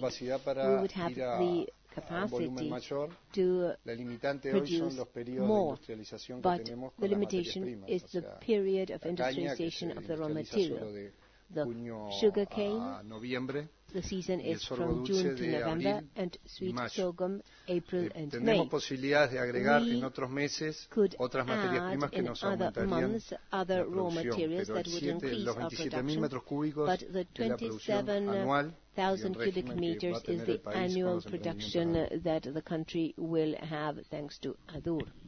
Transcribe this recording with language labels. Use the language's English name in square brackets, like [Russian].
[English] We would have the capacity to produce more, but the limitation is the period of industrialization of the raw material. The sugar cane, the season is from June to November, and sweet sorghum, April and May. [Spanish] Tenemos posibilidades de agregar en otros meses otras materias primas que nos aumentarían la producción, pero los 27,000 metros cúbicos de la producción anual 1,000 [English] cubic meters is the annual production that the country will have thanks to ADUR.